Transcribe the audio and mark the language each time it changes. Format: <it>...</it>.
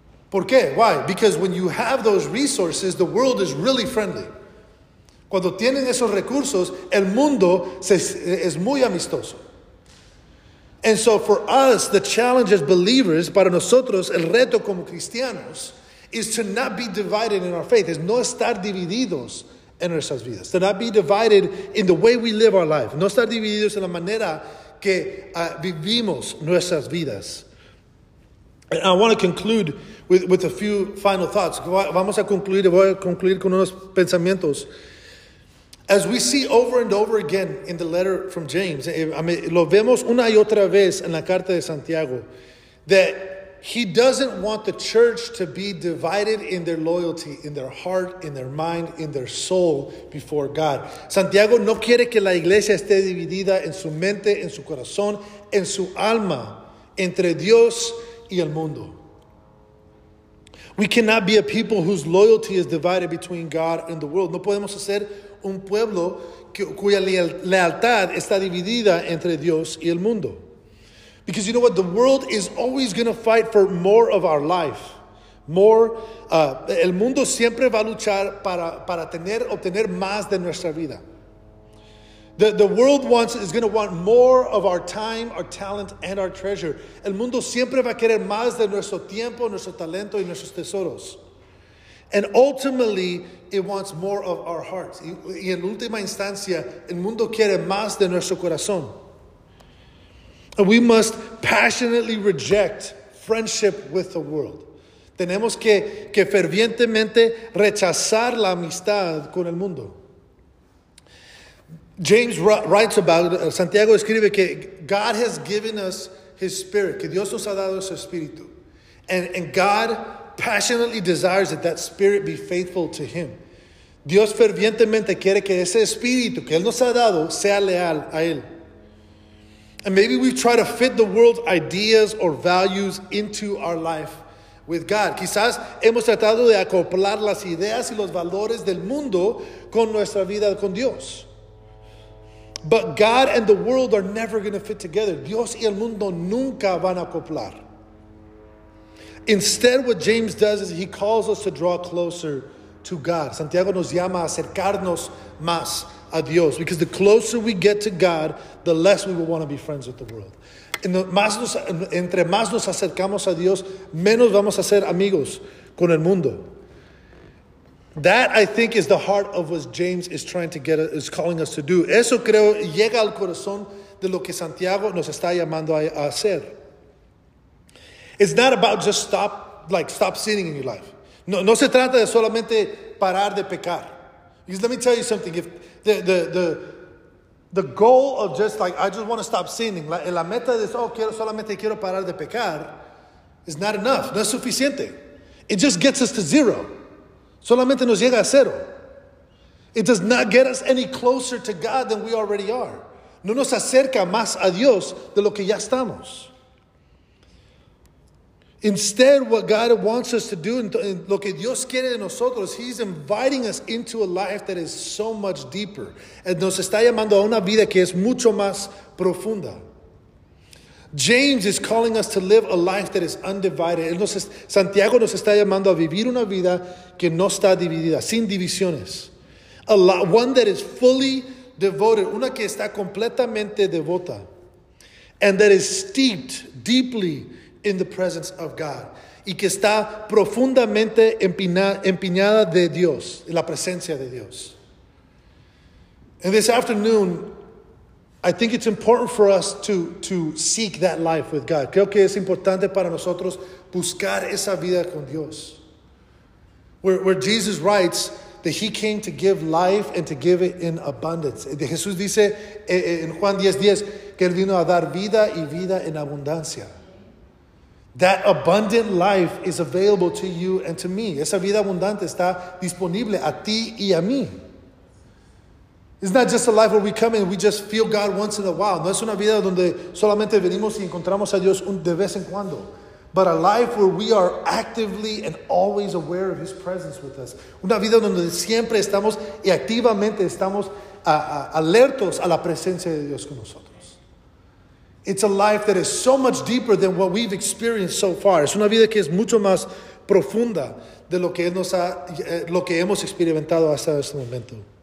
<es>¿Por qué?</es> <en>Why? Because when you have those resources, the world is really friendly.</en> <es>Cuando tienen esos recursos, el mundo es muy amistoso.</es> <en>And so for us, the challenge as believers,</en> <es>para nosotros, el reto como cristianos,</es> <en>is to not be divided in our faith, is</en> <es>no estar divididos en nuestras vidas,</es> <en>to not be divided in the way we live our life,</en> <es>no estar divididos en la manera que vivimos nuestras vidas.</es> <en>And I want to conclude with a few final thoughts.</en> <es>Vamos a concluir, voy a concluir con unos pensamientos.</es> <en>As we see over and over again in the letter from James,</en> <es>lo vemos una y otra vez en la carta de Santiago,</es> <en>that he doesn't want the church to be divided in their loyalty, in their heart, in their mind, in their soul before God.</en> <es>Santiago no quiere que la iglesia esté dividida en su mente, en su corazón, en su alma, entre Dios y el mundo.</es> <en>We cannot be a people whose loyalty is divided between God and the world.</en> <es>No podemos ser un pueblo cuya lealtad está dividida entre Dios y el mundo.</es> <en>Because you know what? The world is always going to fight for more of our life.</en> <es>El mundo siempre va a luchar para obtener más de nuestra vida.</es> <en>The world wants is going to want more of our time, our talent, and our treasure.</en> <es>El mundo siempre va a querer más de nuestro tiempo, nuestro talento, y nuestros tesoros.</es> <en>And ultimately, it wants more of our hearts.</en> <es>Y en última instancia, el mundo quiere más de nuestro corazón.</es> <en>And we must passionately reject friendship with the world.</en> <es>Tenemos que fervientemente rechazar la amistad con el mundo.</es> <en>James writes about,</en> <es>Santiago escribe que</es> <en>God has given us his spirit,</en> <es>que Dios nos ha dado su espíritu.</es> <en>And God passionately desires that that spirit be faithful to him.</en> <es>Dios fervientemente quiere que ese espíritu que él nos ha dado sea leal a él.</es> <en>And maybe we try to fit the world's ideas or values into our life with God.</en> <es>Quizás hemos tratado de acoplar las ideas y los valores del mundo con nuestra vida con Dios.</es> <en>But God and the world are never going to fit together.</en> <es>Dios y el mundo nunca van a acoplar.</es> <en>Instead, what James does is he calls us to draw closer to God.</en> <es>Santiago nos llama a acercarnos más a Dios.</es> <en>Because the closer we get to God, the less we will want to be friends with the world.</en> <es>Entre más nos acercamos a Dios, menos vamos a ser amigos con el mundo.</es> <en>That, I think, is the heart of what James is trying to get, is calling us to do.</en> <es>Eso creo llega al corazón de lo que Santiago nos está llamando a hacer.</es> <en>It's not about just stop sinning in your life.</en> <es>No se trata de solamente parar de pecar.</es> <en>Because let me tell you something. If the goal of just like, I just want to stop sinning.</en> <es>La meta de eso, solamente quiero parar de pecar,</es> <en>is not enough.</en> <es>No es suficiente.</es> <en>It just gets us to zero.</en> <es>Solamente nos llega a cero.</es> <en>It does not get us any closer to God than we already are.</en> <es>No nos acerca más a Dios de lo que ya estamos.</es> <en>Instead, what God wants us to do,</en> <es>lo que Dios quiere de nosotros,</es> <en>he's inviting us into a life that is so much deeper.</en> <es>Nos está llamando a una vida que es mucho más profunda.</es> <en>James is calling us to live a life that is undivided.</en> <es>Santiago nos está llamando a vivir una vida que no está dividida, sin divisiones.</es> <en>One that is fully devoted,</en> <es>una que está completamente devota.</es> <en>And that is steeped deeply in the presence of God.</en> <es>Y que está profundamente empeñada de Dios, en la presencia de Dios.</es> <en>And this afternoon, I think it's important for us to seek that life with God.</en> <es>Creo que es importante para nosotros buscar esa vida con Dios.</es> <en>Where Jesus writes that he came to give life and to give it in abundance.</en> <es>De Jesús dice en Juan 10:10 que él vino a dar vida y vida en abundancia.</es> <en>That abundant life is available to you and to me.</en> <es>Esa vida abundante está disponible a ti y a mí.</es> <en>It's not just a life where we come and we just feel God once in a while.</en> <es>No es una vida donde solamente venimos y encontramos a Dios de vez en cuando.</es> <en>But a life where we are actively and always aware of his presence with us.</en> <es>Una vida donde siempre estamos y activamente estamos alertos a la presencia de Dios con nosotros.</es> <en>It's a life that is so much deeper than what we've experienced so far.</en> <es>Es una vida que es mucho más profunda de lo que nos ha, lo que hemos experimentado hasta este momento.</es>